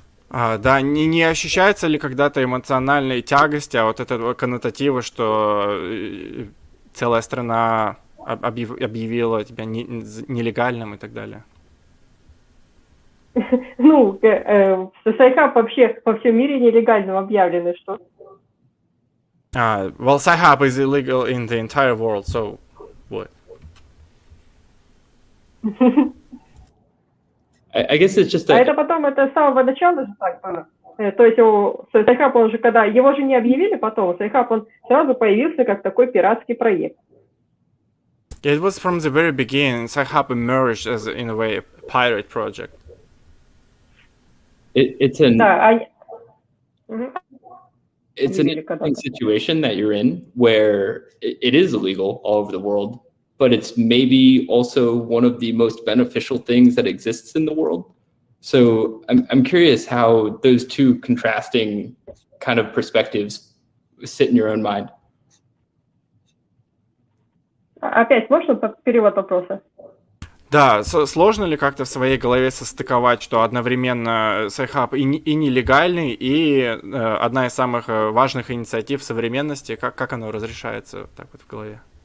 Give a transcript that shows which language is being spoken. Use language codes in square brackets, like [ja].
[ru] Да, не ощущается ли когда-то эмоциональной тягости от этого коннотатива, что целая страна объявила тебя нелегальным и так далее? Ну, Sci-Hub вообще во всем мире нелегальным объявлено, что? [en] Well, Sci-Hub is illegal in the entire world, so what? I guess it's just that. [ru] А это потом, это с самого начала же так было. То есть у Sci-Hub, он же когда, его же не объявили потом, Sci-Hub, он сразу появился как такой пиратский проект. [en] It was from the very beginning. Sci-Hub emerged as, in a way, a pirate project. It's an interesting situation that you're in, where it is illegal all over the world, but it's maybe also one of the most beneficial things that exists in the world. So I'm curious how those two contrasting kind of perspectives sit in your own mind. [ru] Опять можно перевод вопроса? Да, сложно ли как-то в своей голове состыковать, что одновременно Sci-Hub и нелегальный, и одна из самых важных инициатив современности, как оно разрешается так вот в голове?